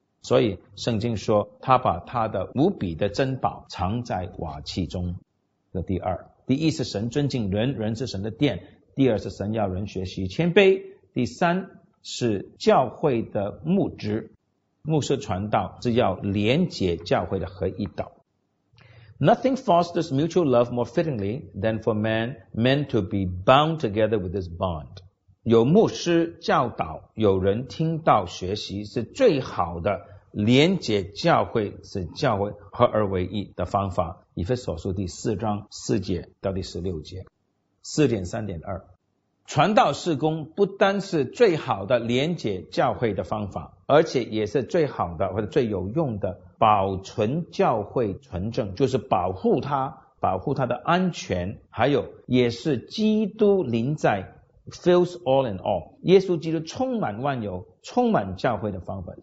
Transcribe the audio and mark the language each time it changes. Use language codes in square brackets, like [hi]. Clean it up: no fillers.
[zh] 所以圣经说他把他的无比的珍宝藏在瓦器中。这第二，第一是神尊敬人，人是神的殿；第二是神要人学习谦卑；第三是教会的牧职，牧师传道是要连结教会的合一道。 [en] Nothing fosters mutual love more fittingly than for men to be bound together with this bond. [zh] 有牧师教导，有人听到学习，是最好的连接教会，使教会合而为一的方法。以弗所书第四章四节到第十六节，4.3.2，传道事工不单是最好的连接教会的方法，而且也是最好的或者最有用的保存教会纯正，就是保护它，保护它的安全，还有也是基督临在 [en] fills all in all， [zh] 耶稣基督充满万有，充满教会的方法。